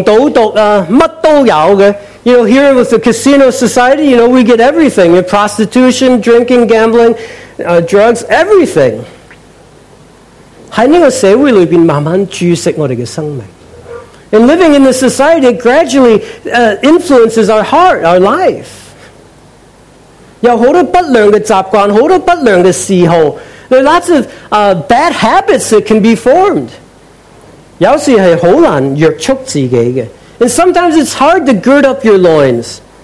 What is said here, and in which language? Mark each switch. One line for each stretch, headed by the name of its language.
Chinese: 因为赌场是扔着很多黄赌毒,什么都有的。
English: You know, here with the casino society, you know, we get everything. You know, prostitution, drinking, gambling, drugs, everything.
Chinese: 在这个社会里面慢慢注视我们的生命。
English: And living in this society, it gradually influences our heart, our life.
Chinese: 有很多不良的习惯, 很多不良的嗜好,
English: there are lots of bad habits that can be formed.
Chinese: 有时是很难约束自己的。
English: And sometimes it's hard to gird up your loins.